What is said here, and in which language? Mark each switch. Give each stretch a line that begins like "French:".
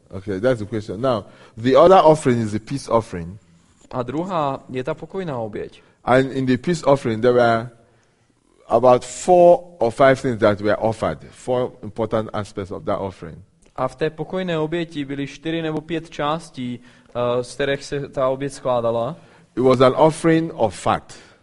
English: Okay, that's the question. Now, the other offering is the peace offering.
Czech: A druhá je ta pokojná oběť.
English: And in the peace offering there were about four or five things that were offered. Four important aspects of that offering.
Czech: A v té pokojné oběti byly 4 nebo 5 částí, z kterých se ta oběť skládala.
English: It was an offering of fat.